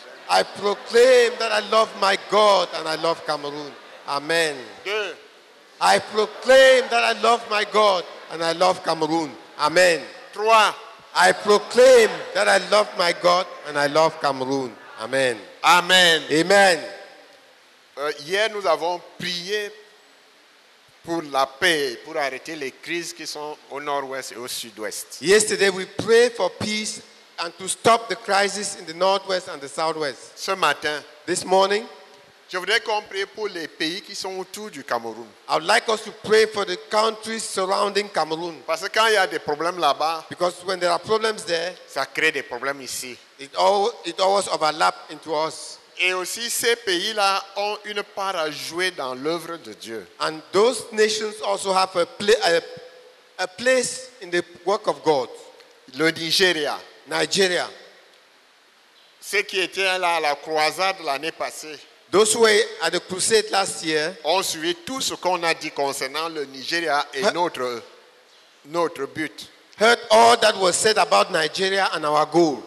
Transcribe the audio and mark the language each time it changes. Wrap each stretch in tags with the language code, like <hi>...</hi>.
<en>I proclaim that I love my God and I love Cameroon. Amen.</en> <fr>Deux.</fr> <en>I proclaim that I love my God and I love Cameroon. Amen. 2023. I proclaim that I love my God and I love Cameroon. Amen. Amen. Amen.</en> <fr>Hier, nous avons prié pour la paix, pour arrêter les crises qui sont au nord-ouest et au sud-ouest.</fr> <en>Yesterday, we prayed for peace and to stop the crisis in the northwest and the southwest.</en> <fr>Ce matin,</fr> <en>this morning,</en> <fr>je voudrais qu'on prie pour les pays qui sont autour du Cameroun.</fr> <en>I would like us to pray for the countries surrounding Cameroon.</en> <fr>Parce que quand il y a des problèmes là-bas,</fr> <en>because when there are problems there,</en> <fr>ça crée des problèmes ici.</fr> <en>It always overlaps into us.</en> <fr>Et aussi ces pays-là ont une part à jouer dans l'œuvre de Dieu.</fr> <en>And those nations also have a place in the work of God.</en> <fr>Le Nigeria.</fr> <en>Nigeria.</en> <fr>Ceux qui étaient là à la croisade l'année passée.</fr> <en>Those who were at the crusade last year.</en> <fr>Ont suivi tout ce qu'on a dit concernant le Nigeria et notre but.</fr> <en>Heard all that was said about Nigeria and our goal.</en>